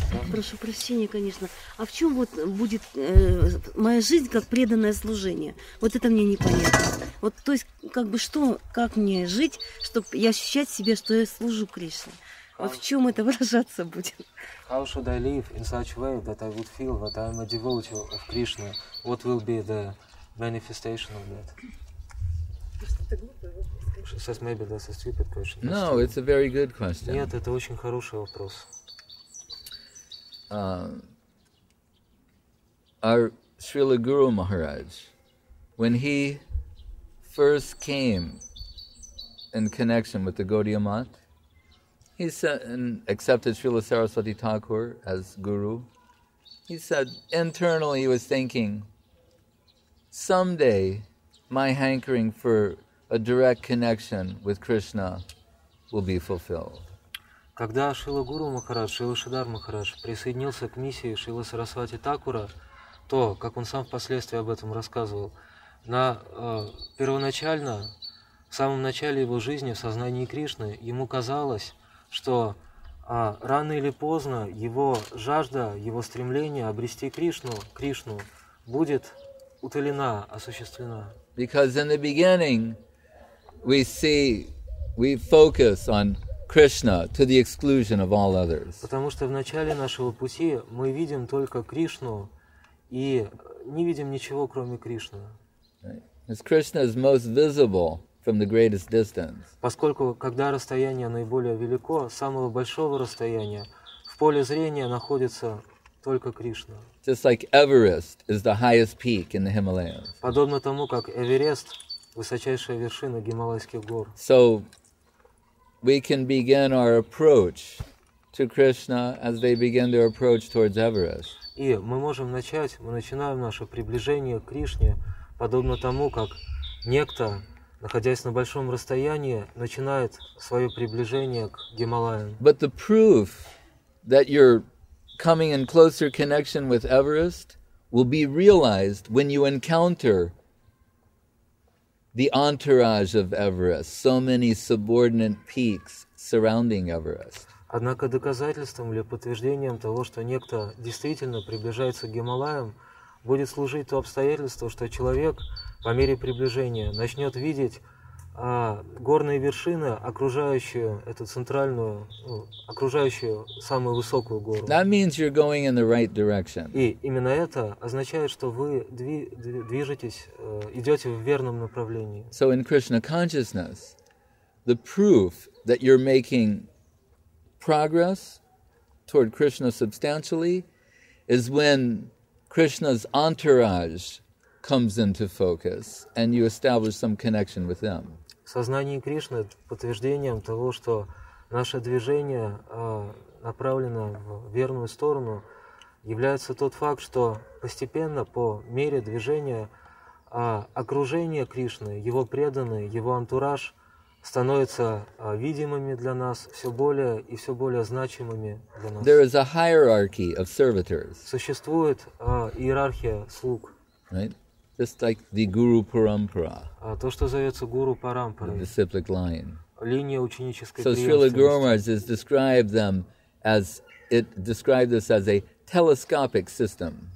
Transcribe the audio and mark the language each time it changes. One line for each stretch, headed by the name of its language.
Russian: Прошу прощения, конечно. А в чем вот будет моя жизнь как преданное служение? Вот это мне непонятно. Вот, то есть, как бы что, как мне жить, чтобы я ощущать себе, что я служу Кришне? А в чем это выражаться будет?
English: How should I live in such a way that I would feel that I'm a devotee of Krishna? What will be the manifestation of that? She says maybe that's a stupid question. No, it's a very good question.
Russian: Нет, это очень хороший вопрос.
English: Our Srila Guru Maharaj, when he first came in connection with the Gaudiya Math, he said and accepted Srila Saraswati Thakur as Guru. He said internally he was thinking, someday my hankering for a direct connection with Krishna will be fulfilled.
Russian: Когда Шрила Гуру Махарадж, Шрила Шридхар Махарадж присоединился к миссии Шрила Сарасвати Такура, то, как он сам впоследствии об этом рассказывал, первоначально, в самом начале его жизни, в сознании Кришны, ему казалось, что рано или поздно его жажда, его стремление обрести Кришну, будет утолена, осуществлена.
English: Because in the beginning, we see, we focus on Krishna to the exclusion of all others.
Russian: Потому что в начале нашего пути мы видим только Кришну и не видим ничего кроме Кришны. Right.
English: Krishna is most visible from the greatest distance.
Russian: Поскольку когда расстояние наиболее велико, самого большого расстояния в поле зрения находится только Кришна.
English: Just like Everest is the highest peak in the Himalayas.
Russian: Подобно тому, как Эверест высочайшая вершина Гималайских гор.
English: So we can begin our approach to Krishna as they begin their approach towards Everest.
Russian: И мы можем начать, мы начинаем наше приближение к Кришне подобно тому, как некто, находясь на большом расстоянии, начинает свое приближение к Гималаям.
English: But the proof that you're coming in closer connection with Everest will be realized when you encounter the entourage of Everest, so many subordinate peaks surrounding Everest.
Russian: Однако доказательством или подтверждением того, что некто действительно приближается к Гималаям, будет служить то обстоятельство, что человек по мере приближения начнет видеть горные вершины, окружающие эту центральную, окружающую самую высокую гору.
English: That means you're going in the right direction.
Russian: И именно это означает, что вы движетесь, идете в верном направлении.
English: So in Krishna consciousness, the proof that you're making progress toward Krishna substantially is when Krishna's entourage comes into focus and you establish some connection with them.
Russian: В сознании Кришны подтверждением того, что наше движение направлено в верную сторону, является тот факт, что постепенно по мере движения окружение Кришны, его преданные, его антураж становятся видимыми для нас все более и все более значимыми для нас.
English: There is a hierarchy of servitors.
Russian: Существует иерархия слуг.
English: Right? Just like the Guru Parampara.
Russian: То, что зовется Guru Parampara.
English: The disciplic line.
Russian: Линия ученической преемственности.
English: So Srila Guru Maharaj has described them as it described this as a telescopic system.